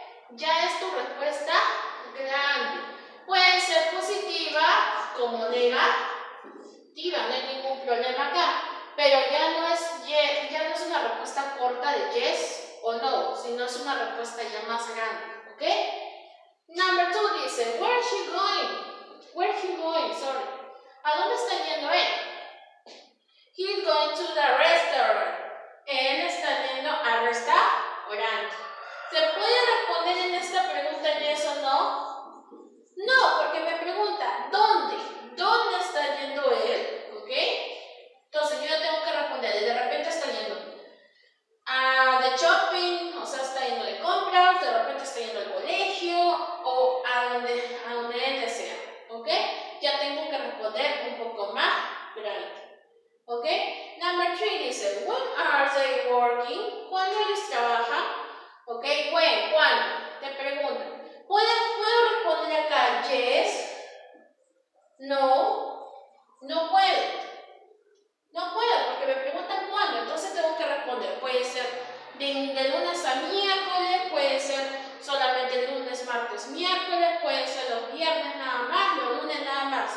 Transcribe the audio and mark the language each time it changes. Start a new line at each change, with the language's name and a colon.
Spanish: Ya es tu respuesta grande. Puede ser positiva como negativa. No hay ningún problema acá, pero ya no es yes, ya no es una respuesta corta de yes o no, sino es una respuesta ya más grande, ¿ok?
English: Number two dice, where is she going? Where is he going? Sorry.
Spanish: ¿A dónde está yendo él?
English: He's going to the restaurant.
Spanish: Él está yendo al restaurante. ¿Se puede responder en esta pregunta yes o no? No, porque me pregunta, ¿dónde? ¿Dónde está yendo él? ¿Ok? Entonces yo tengo que responder. De repente está yendo a the shopping, o sea, está yendo de compras, de repente está yendo al colegio o a donde él desea. ¿Ok? Ya tengo que responder un poco más grande. ¿Ok?
English: Number three dice, when are they working?
Spanish: ¿Cuándo ellos trabajan? ¿Ok? When, ¿cuándo? Te pregunto. ¿Puedo responder acá yes? No. No puedo, porque me preguntan cuándo, entonces tengo que responder. Puede ser de lunes a miércoles, puede ser solamente lunes, martes, miércoles, puede ser los viernes nada más, los lunes nada más.